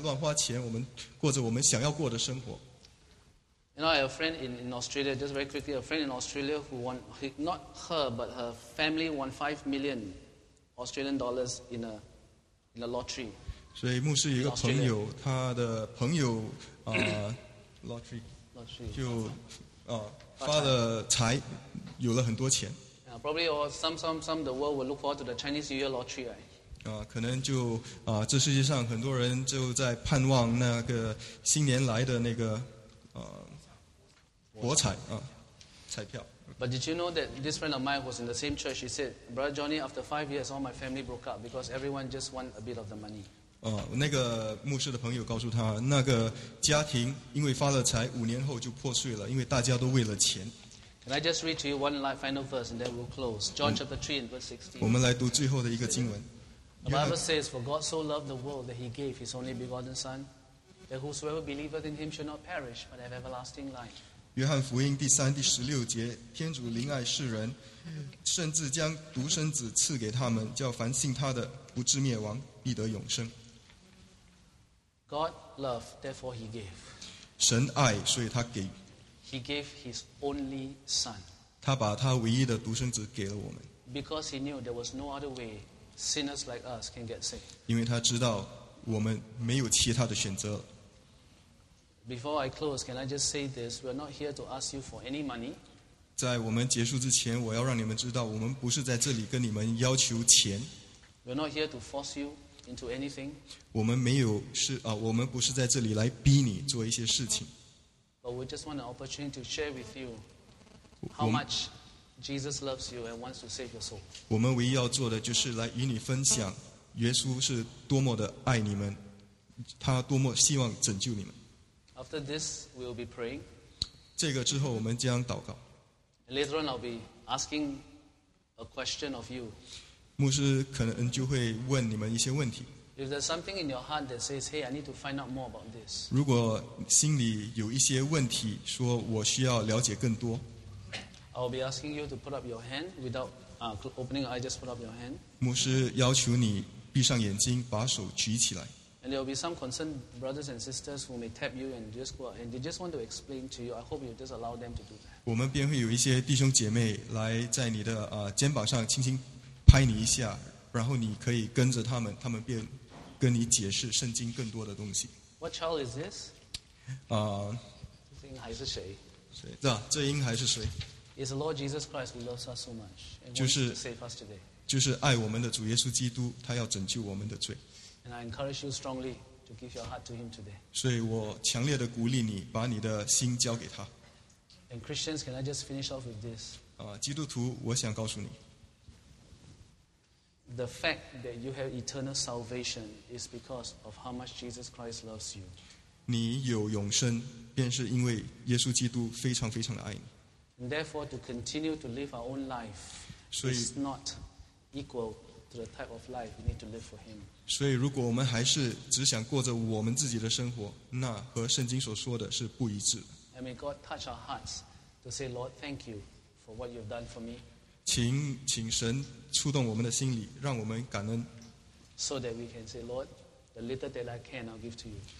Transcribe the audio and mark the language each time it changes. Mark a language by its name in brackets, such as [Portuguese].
[Chinese] 神其实很容易的可以说，来，我们大家都快乐的活着，来，我们来乱花钱，我们过着我们想要过的生活。 [English] You know, I have a friend in Australia. Just very quickly, a friend in Australia who won, not her, but her family won $5 million Australian dollars in a lottery. [Chinese] 所以牧师有一个朋友，他的朋友啊。 [English] lottery, lottery [Chinese] 就发了财，有了很多钱。 [English] Probably or some the world will look forward to the Chinese New Year lottery, right? [Chinese] 可能就这世界上很多人就在盼望那个新年来的那个博彩彩票。 [English] But did you know that this friend of mine was in the same church? He said, "Brother Johnny, after 5 years, all my family broke up because everyone just want a bit of the money." [Chinese] 那个牧师的朋友告诉他，那个家庭因为发了财，五年后就破碎了，因为大家都为了钱。 [English] Can I just read to you one final verse and then we'll close? John chapter 3 and verse 16. [Chinese] 我们来读最后的一个经文。 [English] The Bible says, "For God so loved the world that He gave His only begotten Son, that whosoever believeth in Him should not perish but have everlasting life." [Chinese] 约翰福音第三第十六节，天主怜爱世人，甚至将独生子赐给他们，叫凡信他的不至灭亡，必得永生。 [English] God loved, therefore He gave. [Chinese] 神爱，所以他给。 [English] He gave His only Son. [Chinese] 他把他唯一的独生子给了我们。 [English] Because He knew there was no other way. Sinners like us can get saved. [Chinese] 因为他知道我们没有其他的选择。 [English] Before I close, can I just say this? We are not here to ask you for any money. [Chinese] 在我们结束之前，我要让你们知道，我们不是在这里跟你们要求钱。 [English] We are not here to force you into anything. [Chinese] 我们没有是啊，我们不是在这里来逼你做一些事情。 [English] But we just want an opportunity to share with you how much. Jesus loves you and wants to save your soul. [Chinese] 我们唯一要做的就是来与你分享，耶稣是多么的爱你们，他多么希望拯救你们。 [English] After this, we will be praying. [Chinese] 这个之后我们将祷告。 [English] Later on, I'll be asking a question of you. [Chinese] 牧师可能就会问你们一些问题。 [English] If there's something in your heart that says, "Hey, I need to find out more about this." [Chinese] 如果心里有一些问题，说我需要了解更多。 [English] I'll be asking you to put up your hand without opening your eyes. Just put up your hand. [Chinese] 牧师要求你闭上眼睛，把手举起来。 [English] And there will be some concerned brothers and sisters who may tap you and just go out, and they just want to explain to you. I hope you just allow them to do that. [Chinese] 我们便会有一些弟兄姐妹来在你的肩膀上轻轻拍你一下，然后你可以跟着他们，他们便跟你解释圣经更多的东西。 [English] What child is this? [Chinese] 这婴孩是谁？这婴孩是谁？ [English] It's the Lord Jesus Christ who loves us so much and wants to save us today. [Chinese] 就是爱我们的主耶稣基督，他要拯救我们的罪。 [English] And I encourage you strongly to give your heart to Him today. [Chinese] 所以我强烈的鼓励你，把你的心交给他。 [English] And Christians, can I just finish off with this? [Chinese] 基督徒，我想告诉你 [English] ，The fact that you have eternal salvation is because of how much Jesus Christ loves you. [Chinese] 你有永生，便是因为耶稣基督非常非常的爱你。 [English] Therefore, to continue to live our own life is not equal to the type of life we need to live for Him. [Chinese] 所以，如果我们还是只想过着我们自己的生活，那和圣经所说的是不一致的。 [English] And may God touch our hearts to say, "Lord, thank you for what you've done for me." [Chinese] 请神触动我们的心里，让我们感恩。 [English] So that we can say, "Lord, the little that I can, I'll give to you."